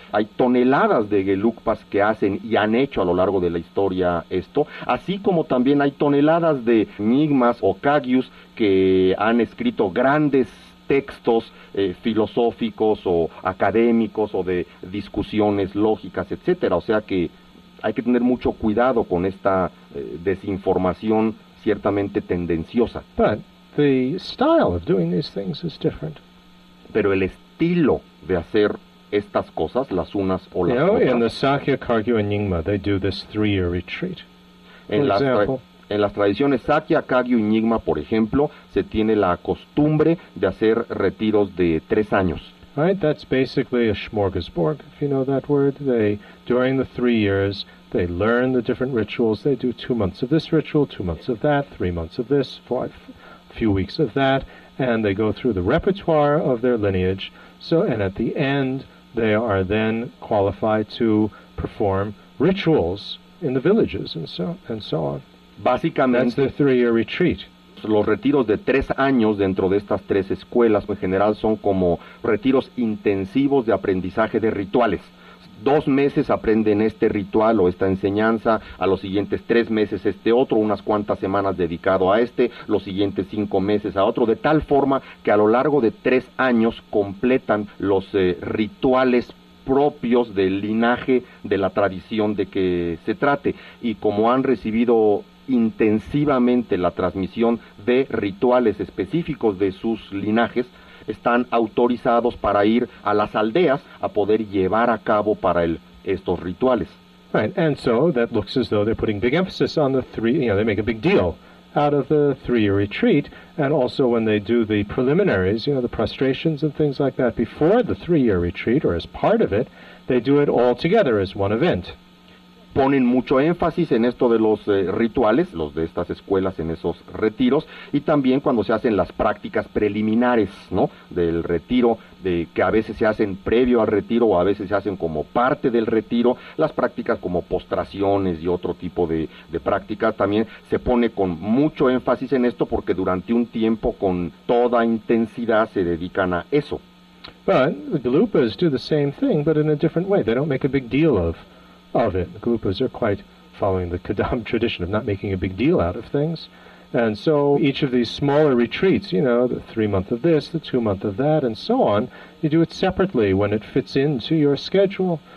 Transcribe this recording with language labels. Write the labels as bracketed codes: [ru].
[es] Hay toneladas de Gelugpas que hacen y han hecho a lo largo de la historia esto, así como también hay toneladas de Nyingmas o Kagyus que han escrito grandes textos filosóficos o académicos o de discusiones lógicas, etcétera. O sea que hay que tener mucho cuidado con esta desinformación ciertamente tendenciosa. [en] But the style of doing these things is different. [es] Pero el estilo de hacer estas cosas, las unas o las otras. [en] In the Sakya, Kagyu, and Nyingma, they do this 3-year retreat. [es] En las tradiciones Sakya, Kagyu y Nyingma, por ejemplo, se tiene la costumbre de hacer retiros de 3 años. [en] Right, that's basically a smorgasbord, if you know that word. During the 3 years, they learn the different rituals. They do 2 months of this ritual, 2 months of that, 3 months of this, a few weeks of that, and they go through the repertoire of their lineage. So, and at the end, they are then qualified to perform rituals in the villages and so on. [es] Básicamente, [en] that's the 3-year retreat. [es] Los retiros de 3 años dentro de estas 3 escuelas en general son como retiros intensivos de aprendizaje de rituales. 2 meses aprenden este ritual o esta enseñanza, a los siguientes 3 meses este otro, unas cuantas semanas dedicado a este, los siguientes 5 meses a otro, de tal forma que a lo largo de 3 años completan los rituales propios del linaje de la tradición de que se trate. Y como han recibido intensivamente la transmisión de rituales específicos de sus linajes, están autorizados para ir a las aldeas a poder llevar a cabo para él estos rituales. [en] Right, and so that looks as though they're putting big emphasis on the 3-year, they make a big deal out of the 3-year retreat, and also when they do the preliminaries, the prostrations and things like that before the 3-year retreat or as part of it, they do it all together as one event. [es] Ponen mucho énfasis en esto de los rituales, los de estas escuelas en esos retiros, y también cuando se hacen las prácticas preliminares, ¿no?, del retiro, de que a veces se hacen previo al retiro o a veces se hacen como parte del retiro, las prácticas como postraciones y otro tipo de prácticas, también se pone con mucho énfasis en esto porque durante un tiempo con toda intensidad se dedican a eso. [en] But the Gelugpas do the same thing, but in a different way. They don't make a big deal of it. Gelugpas are quite following the Kadam tradition of not making a big deal out of things. And so each of these smaller retreats, the 3 month of this, the 2 month of that, and so on, you do it separately when it fits into your schedule.